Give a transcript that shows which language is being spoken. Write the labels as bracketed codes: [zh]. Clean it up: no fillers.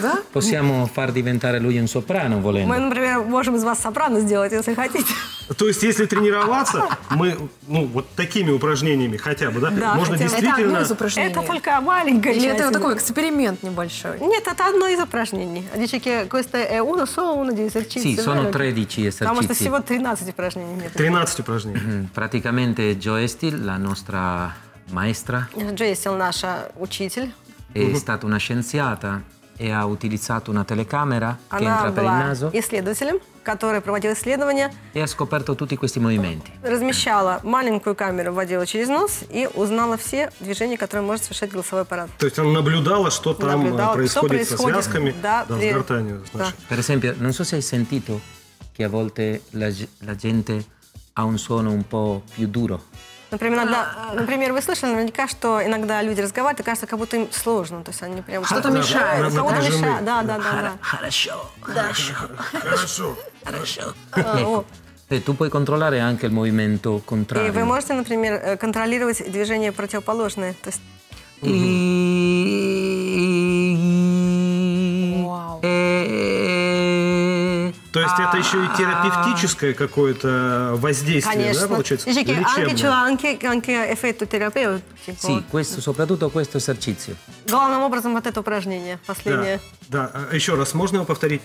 [it] Possiamo far diventare lui un soprano, volendo. [ru] Мы, например, можем из вас сопрано сделать, если хотите. То есть, если тренироваться, мы, ну, вот такими упражнениями хотя бы, да, да можно хотя действительно... Это одно из упражнений. Это только маленькая часть. Или это такой эксперимент небольшой? Нет, это одно из упражнений. [it] Dice che questo è uno solo, uno di esercizi. Sì, sono 13 esercizi. [ru] Потому что всего 13 упражнений. Нет. 13 упражнений. [it] Praticamente Joe Estil, la nostra maestra. [ru] Joe Estil, наша учитель. [it] È stata una scienziata. E ha utilizzato una telecamera che entra per il naso. [ru] Она была исследователем, который проводил исследования. E ha scoperto tutti questi movimenti. Размещала маленькую камеру, вводила через нос и узнала все движения, которые может совершать голосовой аппарат. То есть она наблюдала, что там происходит со связками, да, с гортанью. [it] Per esempio, non so se hai sentito che a volte la gente ha un suono un po' più duro. [ru] Например, иногда, например, вы слышали наверняка, что иногда люди разговаривают, и кажется, как будто им сложно. То есть они прям что-то мешают. Кого-то мешают. Да, да, мешают. Да, да, да. Хорошо. Да. Хорошо. Хорошо. Хорошо. [it] Ты puoi controllare anche il movimento contrario. [ru] И вы можете, например, контролировать движение противоположное. То есть... То есть это еще и терапевтическое какое-то воздействие, конечно. Да, получается? Конечно. [it] Dice che anche effetto terapeutico. Sì, questo, soprattutto questo esercizio. [ru] Главным образом вот это упражнение, последнее. Да, да. Еще раз, можно его повторить?